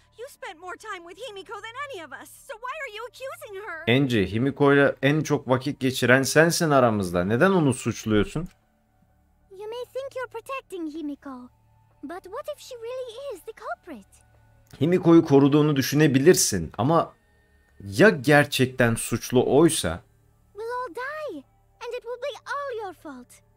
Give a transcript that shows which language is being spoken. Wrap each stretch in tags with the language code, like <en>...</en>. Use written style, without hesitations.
<en>You spent more time with Himiko than any of us. So why are you accusing her?</en> <tr>Angie, Himiko'yla en çok vakit geçiren sensin aramızda. Neden onu suçluyorsun?</tr> <en>You may think you're protecting Himiko, but what if she really is the culprit?</en> <tr>Himiko'yu koruduğunu düşünebilirsin ama ya gerçekten suçlu oysa?</tr> <en>We'll all die and it will be all your fault.</en>